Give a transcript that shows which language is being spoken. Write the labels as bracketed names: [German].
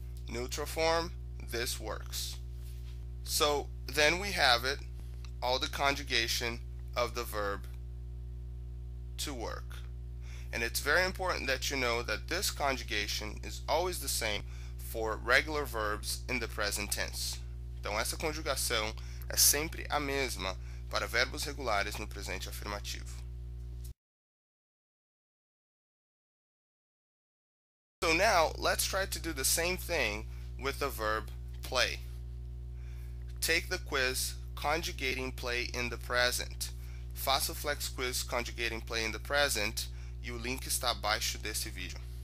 [English] Neutral form, this works. So, then we have it, all the conjugation of the verb to work. And it's very important that you know that this conjugation is always the same for regular verbs in the present tense. [Portuguese] Então, essa conjugação é sempre a mesma para verbos regulares no presente afirmativo. [English] So now, let's try to do the same thing with the verb play. Take the quiz conjugating play in the present. [Portuguese] Faça o Flex Quiz Conjugating Play in the Present e o link está abaixo desse vídeo.